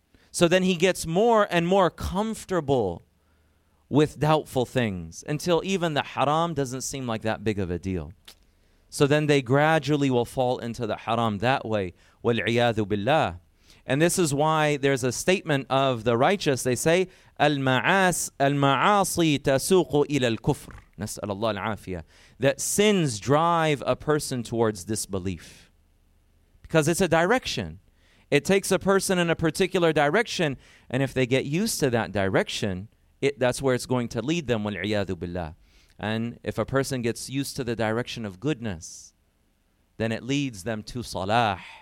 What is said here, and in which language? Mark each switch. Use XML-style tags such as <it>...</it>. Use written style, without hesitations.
<en>So then he gets more and more comfortable with doubtful things until even the haram doesn't seem like that big of a deal. So then they gradually will fall into the haram that way.</en> <ar>وَالْعِيَاذُ بِاللَّهِ.</ar> <en>And this is why there's a statement of the righteous. They say,</en> <ar>الْمَعَاصِي تَسُوقُ إِلَى الْكُفْرِ. نَسْأَلَ اللَّهِ الْعَافِيَةِ.</ar> <en>That sins drive a person towards disbelief. Because it's a direction. It takes a person in a particular direction, and if they get used to that direction, that's where it's going to lead them,</en> <ar>وَالْعِيَاذُ بِاللَّهِ.</ar> <en>And if a person gets used to the direction of goodness, then it leads them to salah.</en>